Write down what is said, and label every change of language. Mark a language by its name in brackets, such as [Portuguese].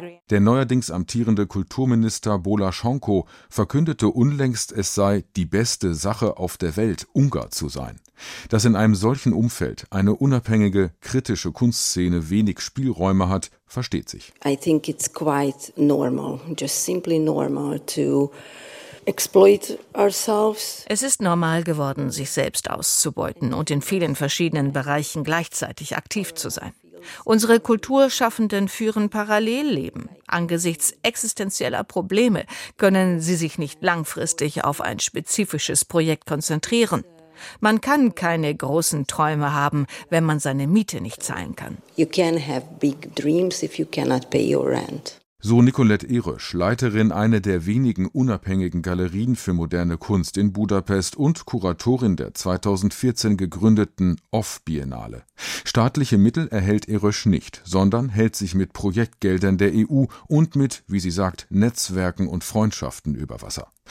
[German] Der neuerdings amtierende Kulturminister Bola Sonko verkündete unlängst, es sei die beste Sache auf der Welt, Ungar zu sein. Dass in einem solchen Umfeld eine unabhängige, kritische Kunstszene wenig Spielräume hat, versteht sich. [English] I think it's quite normal, just simply normal to exploit ourselves. [German] Es ist normal geworden, sich selbst auszubeuten und in vielen verschiedenen Bereichen gleichzeitig aktiv zu sein. Unsere Kulturschaffenden führen Parallelleben. Angesichts existenzieller Probleme können sie sich nicht langfristig auf ein spezifisches Projekt konzentrieren. Man kann keine großen Träume haben, wenn man seine Miete nicht zahlen kann. [English] You can have big dreams if you cannot pay your rent. [German] So Nicolette Irisch, Leiterin einer der wenigen unabhängigen Galerien für moderne Kunst in Budapest und Kuratorin der 2014 gegründeten Off-Biennale. Staatliche Mittel erhält Irisch nicht, sondern hält sich mit Projektgeldern der EU und mit, wie sie sagt, Netzwerken und Freundschaften über Wasser.